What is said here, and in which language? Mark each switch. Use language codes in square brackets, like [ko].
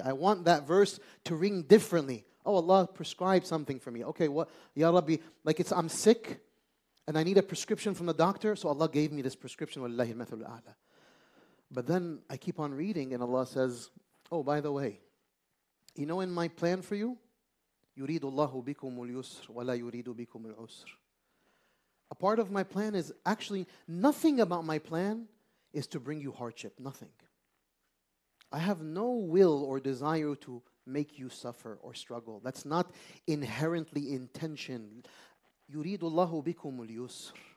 [en] I want that verse to ring differently. Oh, Allah prescribed something for me. Okay, what? Ya Rabbi, like I'm sick and I need a prescription from the doctor, so Allah gave me this prescription. [ar] Wallahi al-mathalu al-a'la. [en] But then I keep on reading and Allah says, "Oh, by the way, You know, in my plan for you, [ar] يُرِيدُ اللَّهُ بِكُمُ الْيُسْرُ وَلَا يُرِيدُ بِكُمُ الْعُسْرُ. [en] A part of my plan is actually, nothing about my plan is to bring you hardship, nothing. I have no will or desire to make you suffer or struggle. That's not inherently intention. [ar] يُرِيدُ اللَّهُ بِكُمُ الْيُسْرُ.